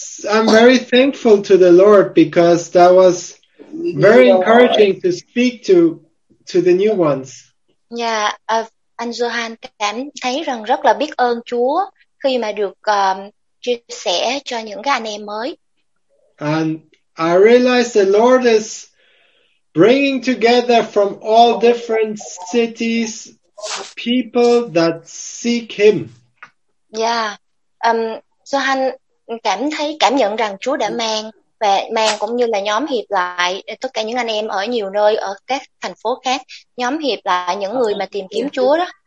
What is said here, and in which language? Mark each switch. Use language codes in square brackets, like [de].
[en] I'm very thankful to the Lord because that was very encouraging to speak to the new ones. [vi] Anh Johan cảm thấy rằng rất là biết ơn Chúa khi mà được chia sẻ cho những cái anh em mới. [en] And I realize the Lord is bringing together from all different cities people that seek Him. [vi] Johan cảm nhận rằng Chúa đã mang cũng như là nhóm hiệp lại tất cả những anh em ở nhiều nơi, ở các thành phố khác, nhóm hiệp lại những người mà tìm kiếm Chúa đó.